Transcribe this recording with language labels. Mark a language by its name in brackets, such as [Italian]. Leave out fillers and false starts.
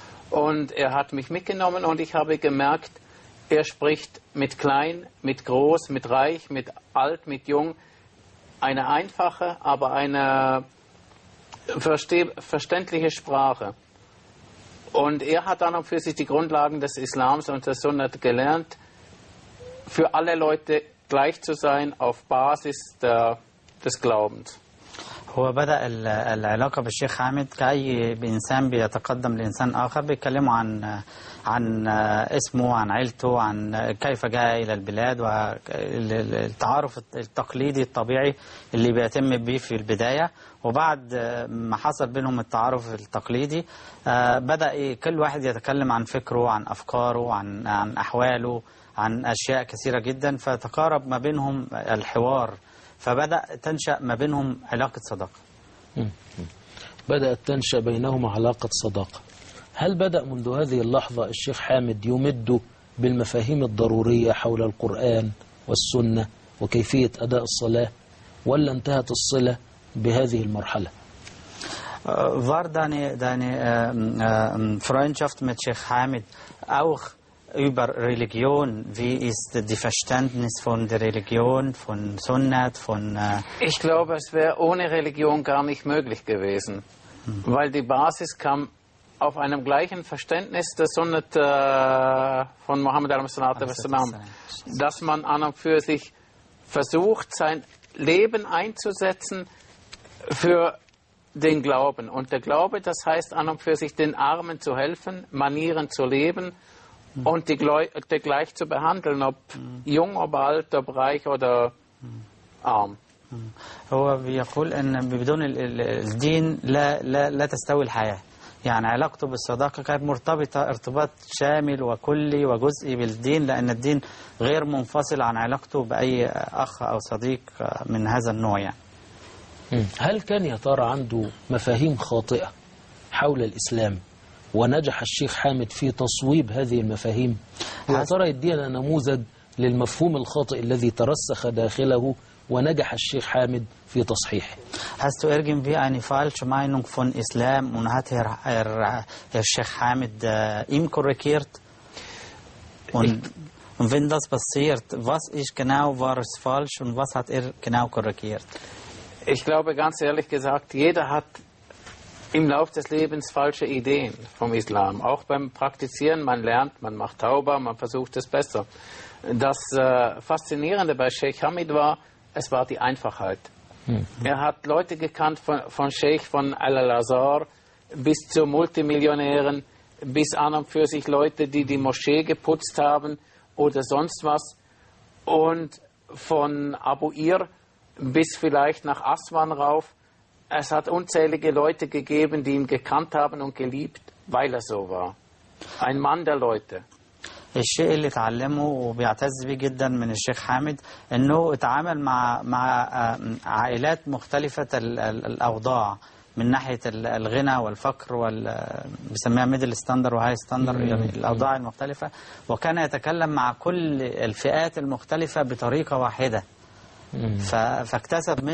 [German] Und er hat mich mitgenommen und ich habe gemerkt, er spricht mit klein, mit groß, mit reich, mit alt, mit jung, eine einfache, aber eine verständliche Sprache. Und er hat dann auch für sich die Grundlagen des Islams und der Sunnat gelernt, für alle Leute gleich zu sein auf Basis des Glaubens. [Arabic] هو بدأ العلاقة بالشيخ حامد كأي إنسان بيتقدم لإنسان آخر، بيكلموا عن اسمه، عن عيلته، عن كيف جاء إلى البلاد، والتعارف التقليدي الطبيعي اللي بيتم به في البداية. وبعد ما حصل بينهم التعارف التقليدي بدأ كل واحد يتكلم عن فكره، عن أفكاره، عن أحواله، عن أشياء كثيرة جدا، فتقارب ما بينهم الحوار، فبدأ تنشأ ما بينهم علاقة صداقة. بدأت تنشأ بينهم علاقة صداقة. هل بدأ منذ هذه اللحظة الشيخ حامد يمد بالمفاهيم الضرورية حول القرآن والسنة وكيفية أداء الصلاة، ولا انتهت الصلة بهذه المرحلة؟ [German] War deine Freundschaft mit Sheikh Hamid auch über Religion? Wie ist die Verständnis von der Religion, von Sunnat, von... Ich glaube, es wäre ohne Religion gar nicht möglich gewesen, weil die Basis kam auf einem gleichen Verständnis der Sunnat von Mohammed al-Muslim, dass man an und für sich versucht, sein Leben einzusetzen für den Glauben. Und der Glaube, das heißt an und für sich, den Armen zu helfen, Manieren zu leben und die Leute gleich zu behandeln, ob jung, ob alt, ob reich oder arm. [Arabic] هو بيقول ان بدون الدين لا تستوي الحياه يعني علاقته بالصداقه كانت مرتبطه ارتباط شامل وكلي وجزئي بالدين لان الدين غير منفصل عن علاقته باي اخ او صديق من هذا النوع يعني هل كان يا ترى عنده مفاهيم خاطئه حول الاسلام ونجح الشيخ حامد في تصويب هذه المفاهيم يا ترى يدينا نموذج للمفهوم الخاطئ الذي ترسخ داخله ونجح الشيخ حامد في تصحيحه. [German] هست ارجم في اني فالش ماينونغ فون اسلام ونهات الشيخ حامد ام كوركيرت und wenn das passiert was ist genau war es falsch und was hat genau korrigiert ich glaube ganz ehrlich gesagt jeder hat im lauf des lebens falsche ideen vom islam auch beim praktizieren man lernt man macht tauber man versucht es besser das faszinierende bei Sheikh Hamid war Es war die Einfachheit. Mhm. Er hat Leute gekannt von Sheikh von Al-Azhar bis zu Multimillionären, bis an und für sich Leute, die Moschee geputzt haben oder sonst was. Und von Abu Ir bis vielleicht nach Aswan rauf. Es hat unzählige Leute gegeben, die ihn gekannt haben und geliebt, weil er so war. Ein Mann der Leute. [Arabic] الشيء اللي تعلمه وبيعتز به جدا من الشيخ حامد انه اتعامل مع عائلات مختلفة الاوضاع من ناحية الغنى والفقر بيسميها [English] middle standard وهاي standard [Arabic] يعني الاوضاع المختلفة وكان يتكلم مع كل الفئات المختلفة بطريقة واحدة فاكتسب منه